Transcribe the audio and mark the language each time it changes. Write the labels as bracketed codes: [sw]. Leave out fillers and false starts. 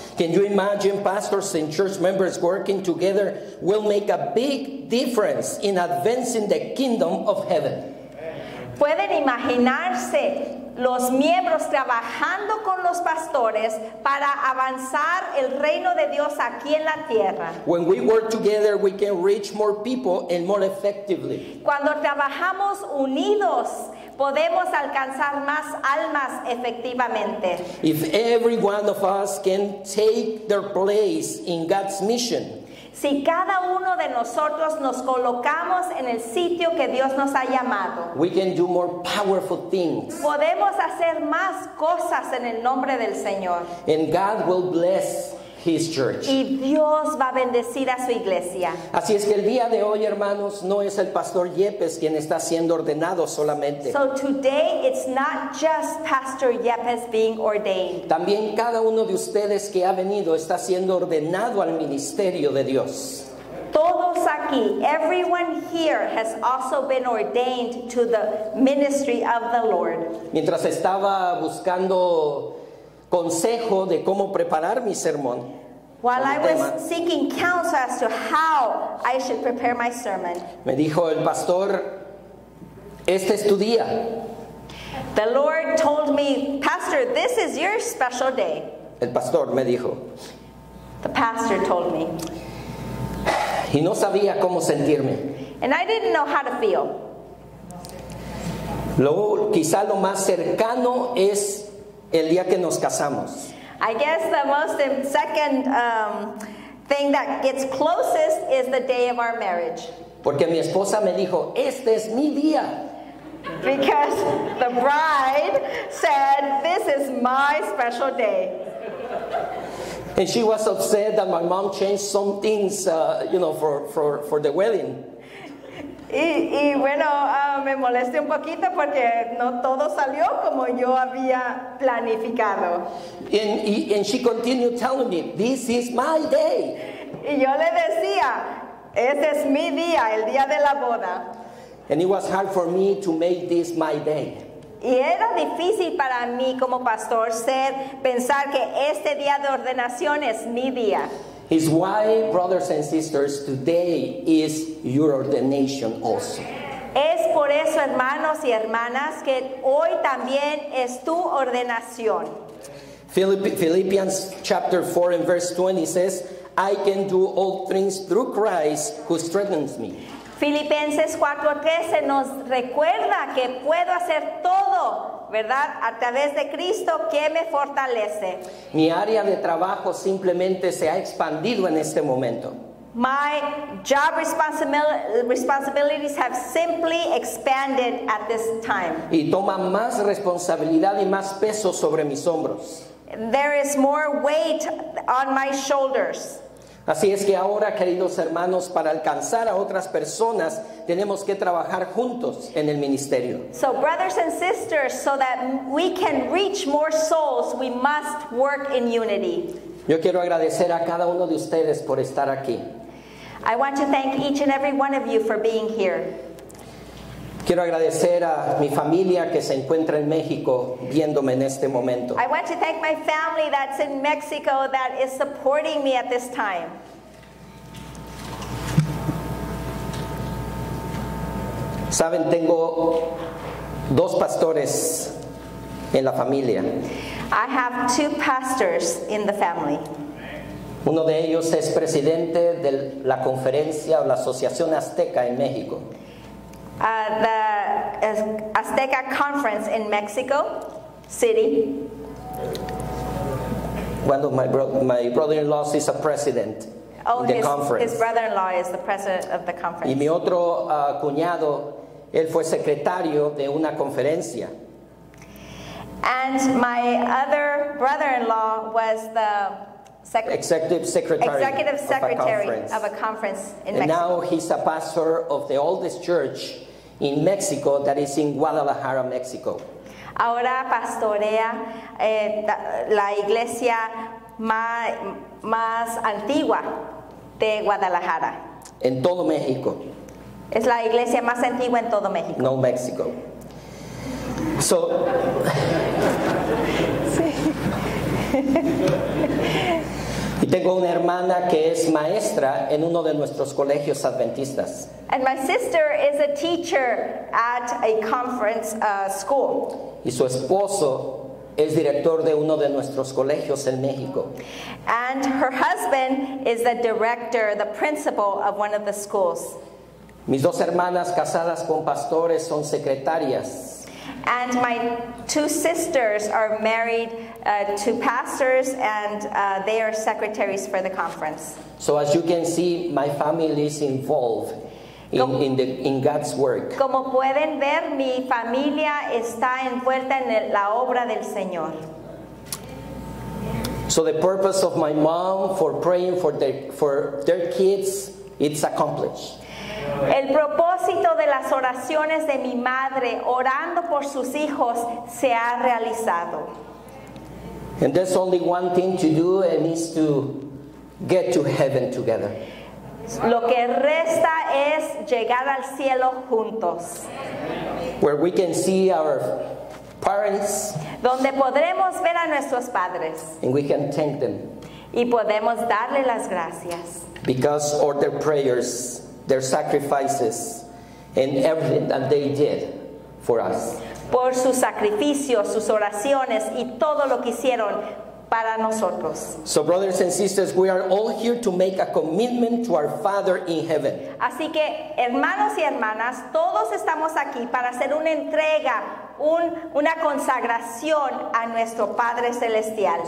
[en] Can you imagine pastors and church members working together will make a big difference in advancing the kingdom of heaven? [es] Pueden imaginarse los miembros trabajando con los pastores para avanzar el reino de Dios aquí en la tierra. [en] When we work together, we can reach more people and more effectively. [es] Cuando trabajamos unidos, podemos alcanzar más almas efectivamente. [en] If every one of us can take their place in God's mission, [es] si cada uno de nosotros nos colocamos en el sitio que Dios nos ha llamado, [en] we can do more powerful things. [es] Podemos hacer más cosas en el nombre del Señor. [en] And God will bless his church. [es] Y Dios va a bendecir a su iglesia. Así es que el día de hoy, hermanos, no es el pastor Yepes quien está siendo ordenado solamente. [en] So today it's not just Pastor Yepes being ordained. [es] También cada uno de ustedes que ha venido está siendo ordenado al ministerio de Dios. Todos aquí, [en] everyone here has also been ordained to the ministry of the Lord. [es] Mientras estaba buscando consejo de cómo preparar mi sermón. [en] While I was seeking counsel as to how I should prepare my sermon, [es] me dijo el pastor, este es tu día. [en] The Lord told me, Pastor, this is your special day. [es] El pastor me dijo. [en] The pastor told me. [es] Y no sabía cómo sentirme. [en] And I didn't know how to feel. [es] Quizá lo más cercano es el día que nos casamos. [en] I guess the most second thing that gets closest is the day of our marriage. [es] Porque mi esposa me dijo, este es mi día. [en] Because the bride said, this is my special day. And she was upset that my mom changed some things, you know, for the wedding. [es] Y bueno, me molesté un poquito porque no todo salió como yo había planificado. [en] And she continued telling me, "This is my day." [es] Y yo le decía, "Este es mi día, el día de la boda." [en] And it was hard for me to make this my day. [es] Y era difícil para mí como pastor ser pensar que este día de ordenación es mi día. [en] Is why, brothers and sisters, today is your ordination also. [es] Es por eso, hermanos y hermanas, que hoy también es tu ordenación. [en] Philippians chapter 4 and verse 20 says, "I can do all things through Christ who strengthens me." [es] Filipenses 4:13 nos recuerda que puedo hacer todo, ¿verdad? A través de Cristo que me fortalece. Mi área de trabajo simplemente se ha expandido en este momento. [en] My job responsibilities have simply expanded at this time. [es] Y toma más responsabilidad y más peso sobre mis hombros. [en] There is more weight on my shoulders. [es] Así es que ahora, queridos hermanos, para alcanzar a otras personas, tenemos que trabajar juntos en el ministerio. [en] So, brothers and sisters, so that we can reach more souls, we must work in unity. [es] Yo quiero agradecer a cada uno de ustedes por estar aquí. [en] I want to thank each and every one of you for being here. [es] Quiero agradecer a mi familia que se encuentra en México viéndome en este momento. [en] I want to thank my family that's in Mexico that is supporting me at this time. [es] Saben, tengo dos pastores en la familia. [en] I have two pastors in the family. [es] Uno de ellos es presidente de la conferencia o la Asociación Azteca en México. [en] The Azteca Conference in Mexico City. One of my brother-in-law is a president of the conference. His brother-in-law is the president of the conference. Y mi otro cuñado, él fue secretario de una conferencia. And my other brother-in-law was the executive secretary of a conference in Mexico. Now he's a pastor of the oldest church in Mexico, that is in Guadalajara, Mexico. [es] Ahora pastorea la iglesia más antigua de Guadalajara. En todo México. Es la iglesia más antigua en todo México. [en] No Mexico. So. [es] Y tengo una hermana que es maestra en uno de nuestros colegios adventistas. [en] And my sister is a teacher at a conference school. [es] Y su esposo es director de uno de nuestros colegios en México. [en] And her husband is the director, the principal of one of the schools. [es] Mis dos hermanas casadas con pastores son secretarias. [en] And my two sisters are married to pastors, and they are secretaries for the conference. So as you can see, my family is involved in God's work. [es] Como pueden ver, mi familia está envuelta en la obra del Señor. [en] So the purpose of my mom for praying for their kids, it's accomplished. [es] El propósito de las oraciones de mi madre orando por sus hijos se ha realizado. [en] And there's only one thing to do, and it's to get to heaven together. [es] Lo que resta es llegar al cielo juntos. [en] Where we can see our parents. [es] Donde podremos ver a nuestros padres. [en] And we can thank them. [es] Y podemos darle las gracias. [en] Because all their prayers, their sacrifices, and everything that they did for us. [es] Por sus sacrificios, sus oraciones, y todo lo que hicieron para nosotros. [en] So, brothers and sisters, we are all here to make a commitment to our Father in heaven. [es] Así que, hermanos y hermanas, todos estamos aquí para hacer una entrega, una consagración a nuestro Padre Celestial.